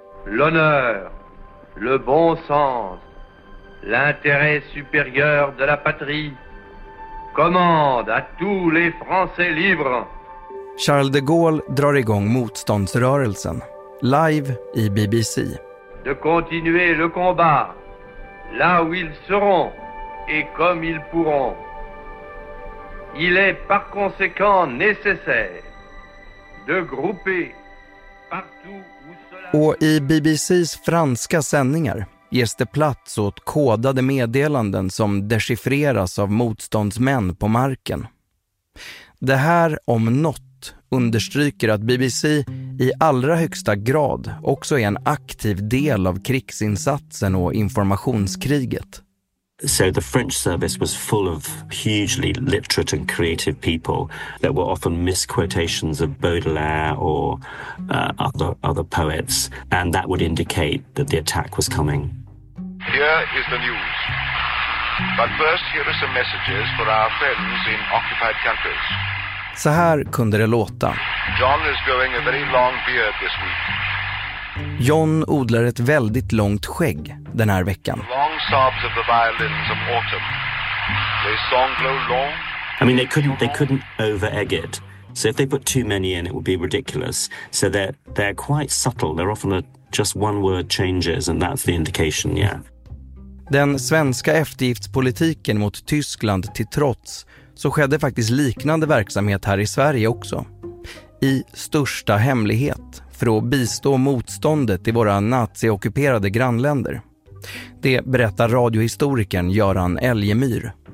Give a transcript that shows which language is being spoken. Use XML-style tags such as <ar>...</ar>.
<fr>L'honneur, le bon sens, l'intérêt supérieur de la patrie commande à tous les Français libres.</fr> <sv>Charles de Gaulle drar igång motståndsrörelsen live i BBC.</sv> <fr>De continuer le combat là où ils seront et comme ils pourront. Il est par conséquent nécessaire de grouper partout.</fr> <sv>Och i BBCs franska sändningar ges det plats åt kodade meddelanden som dechiffreras av motståndsmän på marken. Det här om något understryker att BBC i allra högsta grad också är en aktiv del av krigsinsatsen och informationskriget.</sv> <en>So the French service was full of hugely literate and creative people. There were often misquotations of Baudelaire or other poets, and that would indicate that the attack was coming. Here is the news. But first, here are some messages for our friends in occupied countries.</en> <sv>Så här kunde det låta.</sv> <en>John is growing a very long beard this week.</en> <sv>John odlar ett väldigt långt skägg den här veckan.</sv> <en>Long sobs of the violins of autumn. They song grow long. I mean, they couldn't over-egg it. So if they put too many in, it would be ridiculous. So they're quite subtle. They're often just one word changes, and that's the indication, yeah.</en> <sv>Den svenska eftergiftspolitiken mot Tyskland till trots så skedde faktiskt liknande verksamhet här i Sverige också. I största hemlighet för att bistå motståndet i våra nazi-okkuperade grannländer. Det berättar radiohistorikern Göran Elgemyr.</sv>